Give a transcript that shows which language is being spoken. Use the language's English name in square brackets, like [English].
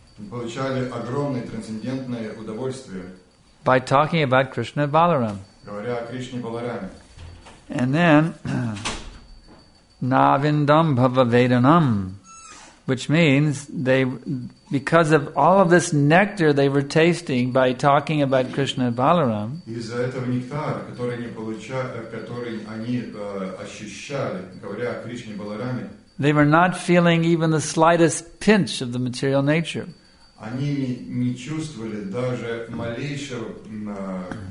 [Russian] Получали огромное трансцендентное удовольствие. [English] By talking about Krishna and Balaram. [Russian] Говоря о Кришне и Балараме. [English] And then, Navindam Bhava Vedanam, which means they, because of all of this nectar they were tasting by talking about Krishna and Balaram, [Russian] из-за этого нектара, который они получали, который они ощущали, говоря о Кришне и Балараме, [English] they were not feeling even the slightest pinch of the material nature. [Russian] Они не чувствовали даже малейшего на